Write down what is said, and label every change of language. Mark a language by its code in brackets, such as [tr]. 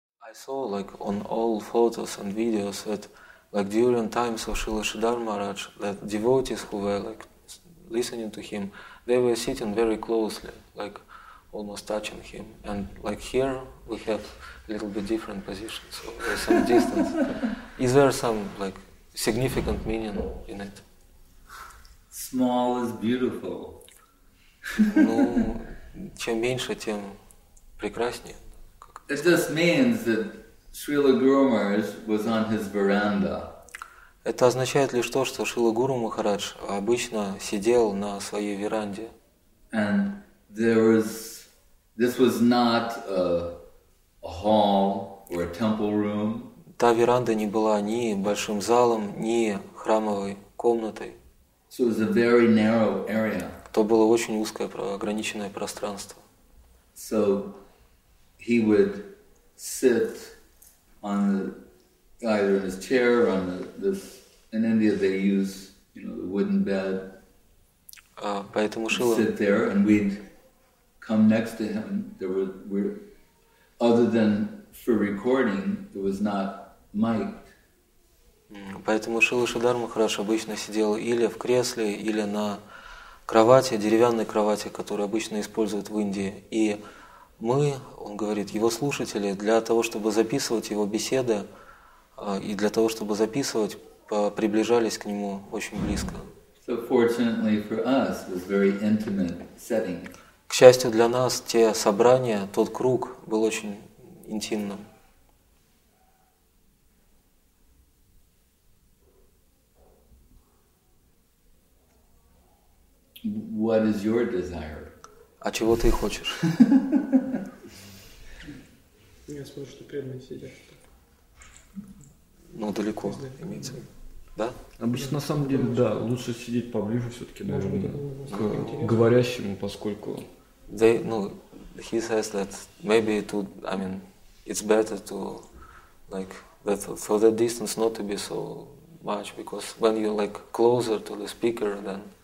[en] I saw like on all photos and videos that like during times of Srila Sridhar Maharaj that devotees who were like listening to him, they were sitting very closely, like almost touching him. And like here we have a little bit different position, so there's some distance. Is there some like significant meaning in it? Small is beautiful. [ru] Ну, чем меньше, тем прекраснее. [en] It just means that Srila Guru Maharaj was on his veranda. [ru] Это означает лишь то, что Шрила Гуру Махарадж обычно сидел на своей веранде. [en] And there was, this was not a hall or a temple room. [ru] Та веранда не была ни большим залом, ни храмовой комнатой. [en] So it was a very narrow area. [ru] То было очень узкое ограниченное пространство. [en] So he would sit on the either in his chair or on the this in India they use, you know, the wooden bed. [ru] Поэтому Шила [en] sit there and we'd come next to him. There were other than for recording, it was not mic'd. [ru] Поэтому Шила Шридхар Махарадж обычно сидел или в кресле, или на кровати, деревянной кровати, которую обычно используют в Индии. И мы, он говорит, его слушатели, для того, чтобы записывать его беседы, и для того, чтобы записывать, приближались к нему очень близко. [en] So fortunately for us, it was very intimate setting. [ru] К счастью для нас, те собрания, тот круг был очень интимным. [en] What is your desire? [ru] А чего ты хочешь? Я смотрю, что преданные сидят. Ну, далеко, имеется. Да? Обычно, на самом деле, да, лучше сидеть поближе все-таки, наверное, к говорящему, поскольку... [en] They, ну, he says that maybe it would, I mean, it's better to, like, that for that distance not to be so much, because when you're, like, closer to the speaker, then...